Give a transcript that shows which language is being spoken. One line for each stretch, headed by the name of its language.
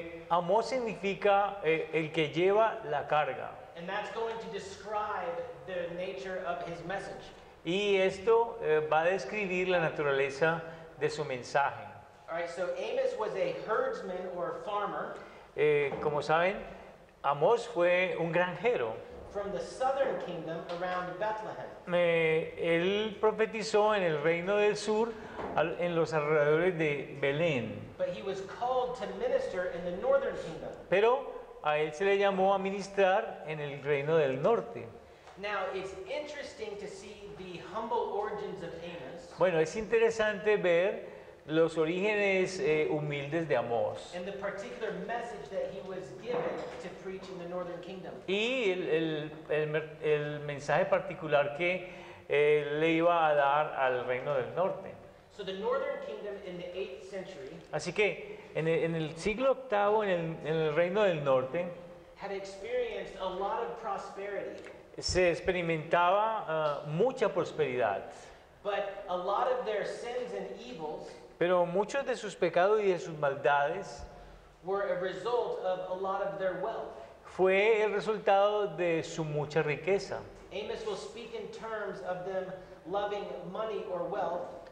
Spanish: Amor significa el que lleva la carga.
English: And that's going to describe the nature of his message.
Spanish: Y esto va a describir la naturaleza de su mensaje.
English: All right, so Amos was a herdsman or a farmer.
Spanish: Como saben, Amos fue un granjero.
English: From the southern kingdom around Bethlehem.
Spanish: Él profetizó en el reino del sur, en los alrededores de Belén.
English: But he was called to minister in the northern kingdom.
Spanish: Pero a él se le llamó a ministrar en el reino del norte.
English: Now it's interesting to see the humble origins of Amos.
Spanish: Bueno, es interesante ver los orígenes humildes de Amós.
English: And the particular message that he was given to preach in the northern kingdom.
Spanish: Y el mensaje particular que le iba a dar al reino del norte.
English: So the northern kingdom in the 8th century.
Spanish: Así que en el siglo octavo en el reino del norte
English: had experienced a lot of prosperity.
Spanish: Se experimentaba mucha prosperidad.
English: But a lot of their sins and evils.
Spanish: Pero muchos de sus pecados y de sus maldades
English: were a result of a lot of their wealth.
Spanish: Fue el resultado de su mucha riqueza.
English: Amos will speak in terms of them loving money or wealth.